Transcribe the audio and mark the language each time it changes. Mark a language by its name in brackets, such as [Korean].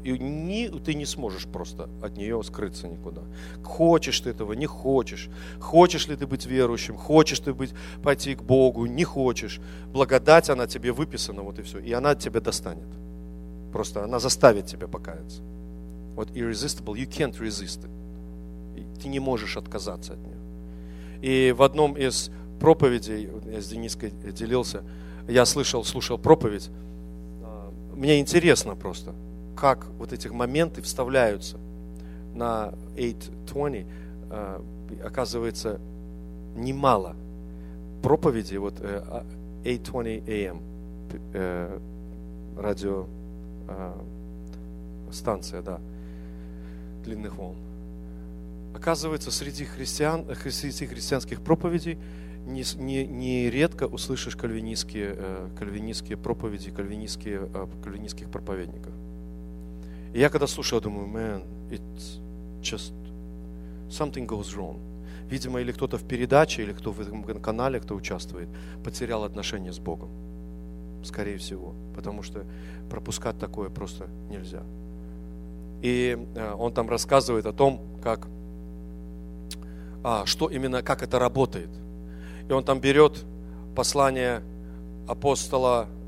[Russian] И ты не сможешь просто от нее скрыться никуда. Хочешь ты этого, не хочешь. Хочешь ли ты быть верующим, хочешь ты пойти к Богу, не хочешь. Благодать, она тебе выписана, вот и все. И она тебя достанет. Просто она заставит тебя покаяться. [English] Вот irresistible, you can't resist it. [Russian] Ты не можешь отказаться от нее. И в одном из проповедей, я с Дениской делился, я слушал проповедь. Мне интересно просто, как вот эти моменты вставляются на 820. Оказывается, немало проповеди вот 820 AM радиостанция, да, длинных волн. Оказывается, среди христиан, среди христианских проповедей нередко услышишь кальвинистские проповеди кальвинистских проповедников. И я когда слушаю, думаю, [English] man, it's just something goes wrong. [Russian] Видимо, или кто-то в передаче, или кто в этом канале, кто участвует, потерял отношение с Богом. Скорее всего. Потому что пропускать такое просто нельзя. И он там рассказывает о том, как что именно, как это работает. И он там берет послание апостола